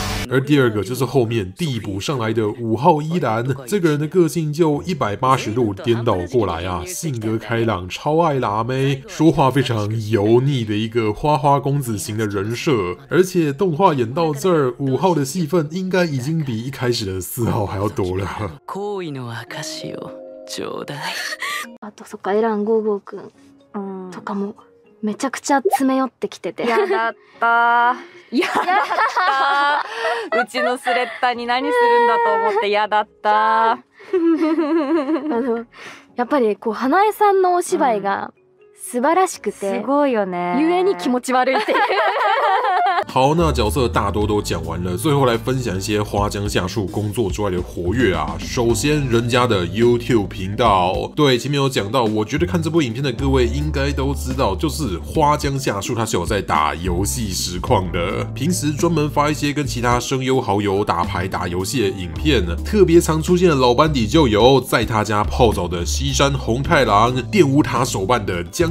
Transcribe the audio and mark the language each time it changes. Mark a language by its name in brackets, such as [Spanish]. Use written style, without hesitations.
[Chinese] 而第二个就是后面递补上来的五号依兰，这个人的个性就180度颠倒过来啊，性格开朗，超爱辣妹，说话非常油腻的一个花花公子型的人设。而且动画演到这儿，五号的戏份应该已经比一开始的四号还要多了。 [Japanese] 好意の証しをちょうだい。あとそっか、エラン五号くんとかもめちゃくちゃ詰め寄ってきてて。やだった。やだった。うちのスレッタに何するんだと思ってやだった。やっぱりこう花江さんのお芝居が素晴らしくて、すごいよね。ゆえに気持ち悪いっていう。 [Chinese] 好，那角色大多都讲完了，最后来分享一些花江夏树工作之外的活跃啊。首先，人家的 YouTube 频道，对，前面有讲到，我觉得看这部影片的各位应该都知道，就是花江夏树他是有在打游戏实况的，平时专门发一些跟其他声优好友打牌打游戏的影片，特别常出现的老班底就有在他家泡澡的西山红太郎，玷污他手办的江